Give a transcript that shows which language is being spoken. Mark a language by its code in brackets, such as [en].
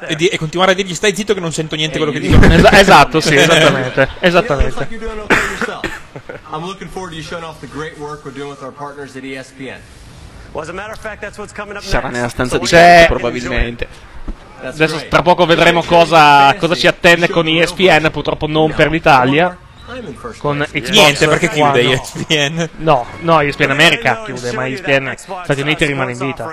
[it] E continuare a dirgli stai zitto che non sento niente quello che dico. Esatto, sì, esattamente. Esattamente. [en] I'm looking forward to you showing off the great work we're doing with our partners at ESPN. As a matter of fact, that's what's coming up next. [it] Sarà nella stanza di probabilmente. Adesso tra poco vedremo cosa ci attende con ESPN, purtroppo non per l'Italia. Con Xbox. Niente, perché chiude ESPN? No, ESPN America chiude, ma ESPN Stati Uniti rimane in vita.